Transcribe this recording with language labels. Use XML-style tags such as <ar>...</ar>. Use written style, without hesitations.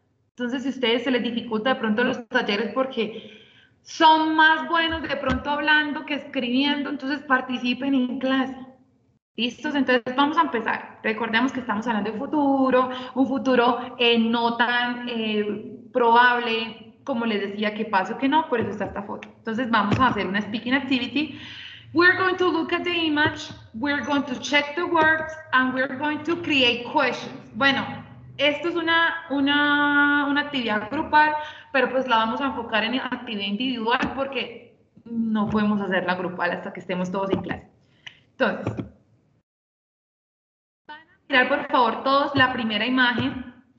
<es>Entonces, si a ustedes se les dificulta de pronto los talleres porque son más buenos de pronto hablando que escribiendo, entonces participen en clase. ¿Listos? Entonces, vamos a empezar. Recordemos que estamos hablando de futuro, un futuro no tan probable, como les decía, que pase o que no, por eso está esta foto. Entonces, vamos a hacer una speaking activity.</es> <en>We're going to look at the image, we're going to check the words, and we're going to create questions.</en> <es>Bueno, esto es una actividad grupal, pero pues la vamos a enfocar en actividad individual porque no podemos hacerla grupal hasta que estemos todos en clase. Entonces, van a mirar, por favor, todos la primera imagen.</es>